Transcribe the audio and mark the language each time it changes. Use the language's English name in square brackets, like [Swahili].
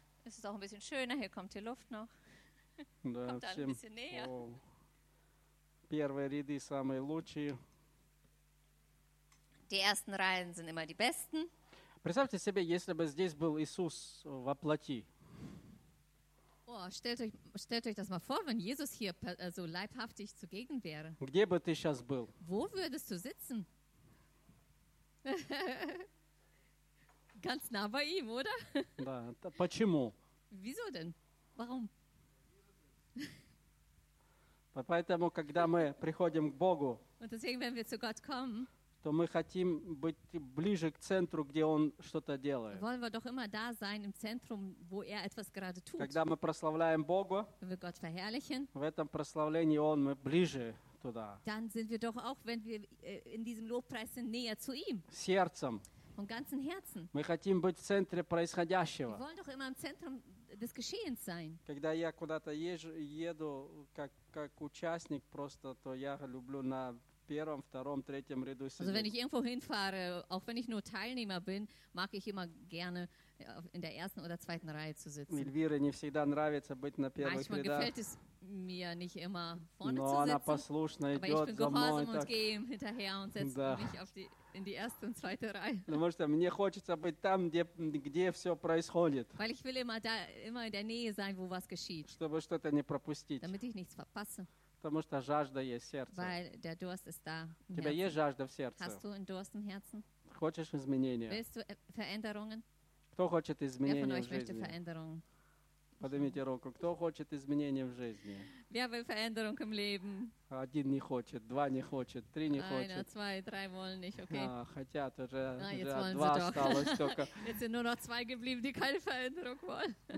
[German] Es ist auch ein bisschen schöner, hier kommt die Luft noch. [Russian] Да, [German] kommt [Russian] всем, [German] da ein bisschen näher. [Russian] Первые ряды самые лучшие. [German] Die ersten Reihen sind immer die besten. [Russian] Представьте себе, если бы здесь был Иисус во плоти. [German] Oh, stellt euch das mal vor, wenn Jesus hier so leibhaftig zugegen wäre. [Russian] Где бы ты сейчас был? [German] Wo würdest du sitzen? Ganz nah bei ihm, oder? [Russian] Да, почему? [German] Wieso denn? Warum? [Russian] Поэтому, когда мы приходим к Богу, [German] und deswegen, wenn wir zu Gott kommen, [Russian] то мы хотим быть ближе к центру, где Он что-то делает. [German] Wollen wir doch immer da sein, im Zentrum, wo er etwas gerade tut. [Russian] Когда мы прославляем Бога, [German] wenn wir Gott verherrlichen, [Russian] в этом прославлении Он, мы ближе туда. [German] Dann sind wir doch auch, wenn wir in diesem Lobpreis sind, näher zu ihm. [Russian] Сердцем. [German] Von ganzem Herzen. [Russian] Мы хотим быть в центре происходящего. [German] Wir wollen doch immer im Zentrum des Geschehens sein. [Russian] Когда я куда-то еду, как участник просто, то я люблю на первом, втором, третьем ряду сидеть. [German] Also wenn ich irgendwo hinfahre, auch wenn ich nur Teilnehmer bin, mag ich immer gerne in der ersten oder zweiten Reihe zu sitzen. [Russian] Эльвире не всегда нравится быть на первых [German] Manchmal [Russian] рядах. [German] Gefällt es mir nicht immer, vorne [Russian] Но [German] zu sitzen. [Russian] Она послушно [German] aber [Russian] идет [German] ich bin gehorsam [Russian] за мной, так... [German] und gehe hinterher und setze [Russian] да. [German] mich auf die... in die erste und zweite Reihe. [Russian] Потому что мне хочется быть там, где все происходит. [German] Weil ich will immer in der Nähe sein, wo was geschieht. [Russian] Чтобы что-то не пропустить. [German] Damit ich nichts verpasse. [Russian] Потому что жажда есть в сердце. [German] Weil der Durst ist da. [Russian] У тебя есть жажда в сердце? [German] Hast du einen Durst im Herzen? [Russian] Хочешь изменения? [German] Willst du Veränderungen? [Russian] Кто хочет изменения в жизни? [German] Wer von euch möchte Veränderungen? [Russian] Поднимите руку. Кто хочет изменения в жизни? [German] Wer will Veränderung im Leben? [Russian] Один не хочет, два не хочет, три не хочет. [German] Einer, zwei, drei wollen nicht, okay. [Russian] А, хотят уже, уже два осталось [German] doch. [Russian] Только. [German] Jetzt sind nur noch zwei geblieben, die keine Veränderung wollen.